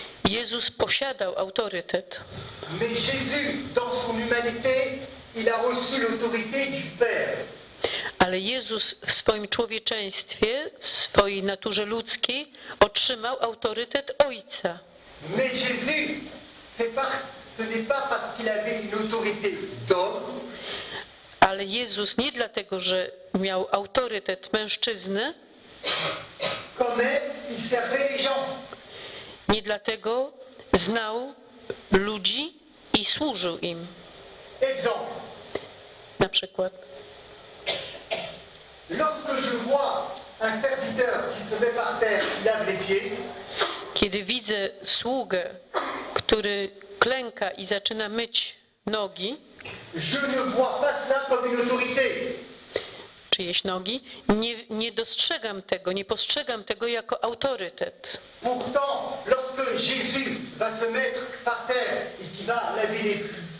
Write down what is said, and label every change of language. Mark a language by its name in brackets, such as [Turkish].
[Polish] Jezus posiadał autorytet. Ale Jezus w swojej [English] humanity [French] il a reçu l'autorité du Père. [Polish] Ale Jezus w swoim człowieczeństwie, w swojej naturze ludzkiej, otrzymał autorytet Ojca. [French] Mais Jésus, ce n'est pas parce qu'il avait une autorité d'homme. [Polish] Ale Jezus nie dlatego, że miał autorytet mężczyzny. [French] Comme il servait les gens. [Polish] Nie dlatego znał ludzi i służył im. [French] Exemple. [Polish] Na przykład. [French] Lorsque je vois un serviteur qui se met par terre, qui lave les pieds. [Polish] Kiedy widzę sługę, który klęka i zaczyna myć nogi. [French] Je ne vois pas ça comme une autorité. [Polish] Czyjeś nogi? Nie dostrzegam tego, nie postrzegam tego jako autorytet. [French] Pourtant, lorsque Jésus va se mettre par terre et qui va laver les pieds.